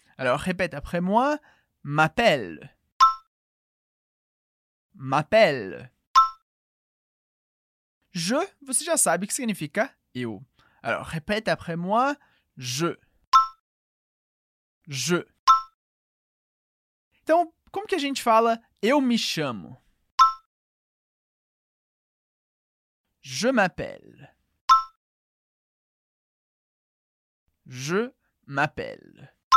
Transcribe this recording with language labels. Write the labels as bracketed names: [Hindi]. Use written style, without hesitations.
[French] Alors, répète après moi, m'appelle. M'appelle. [Portuguese] Je, você já sabe o que significa eu. [French] Alors, répète après moi, je. Je. [Portuguese] Então, como que a gente fala eu me chamo? [French] Je m'appelle. Je m'appelle.